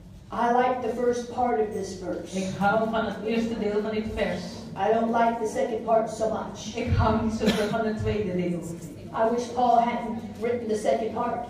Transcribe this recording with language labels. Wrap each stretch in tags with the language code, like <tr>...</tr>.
<en>I like the first part of this verse.</en> <nl>Ik hou van het eerste deel van dit vers.</nl> <en>I don't like the second part so much.</en> <nl>Ik hou niet zo veel van het tweede deel.</nl> <en>I wish Paul hadn't written the second part.</en>